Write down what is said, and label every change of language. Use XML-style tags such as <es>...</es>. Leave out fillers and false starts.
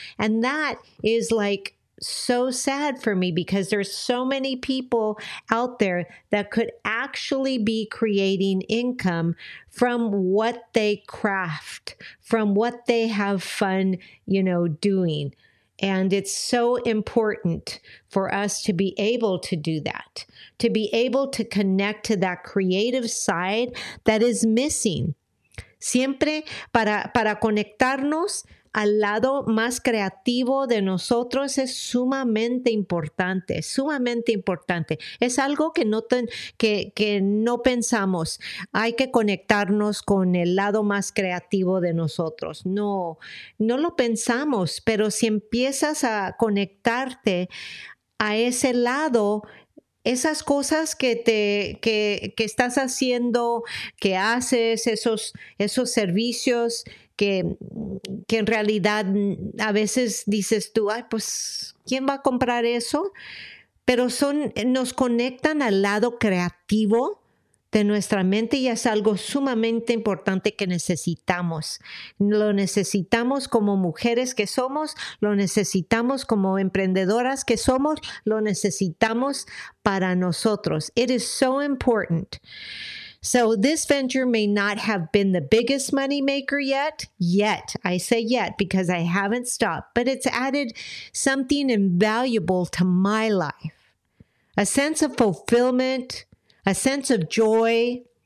<en>And that is like so sad for me because there's so many people out there that could actually be creating income from what they craft, from what they have fun, you know, doing. And it's so important for us to be able to do that, to be able to connect to that creative side that is missing.</en> <es>Siempre para conectarnos al lado más creativo de nosotros es sumamente importante, sumamente importante. Es algo que no pensamos. Hay que conectarnos con el lado más creativo de nosotros. No lo pensamos, pero si empiezas a conectarte a ese lado, esas cosas que estás haciendo, que haces, esos servicios que en realidad a veces dices tú, ay, pues, ¿quién va a comprar eso? Pero nos conectan al lado creativo de nuestra mente y es algo sumamente importante que necesitamos. Lo necesitamos como mujeres que somos, lo necesitamos como emprendedoras que somos, lo necesitamos para nosotros.</es> <en>It is so important. So this venture may not have been the biggest money maker yet. I say yet because I haven't stopped, but it's added something invaluable to my life. A sense of fulfillment, a sense of joy.</en>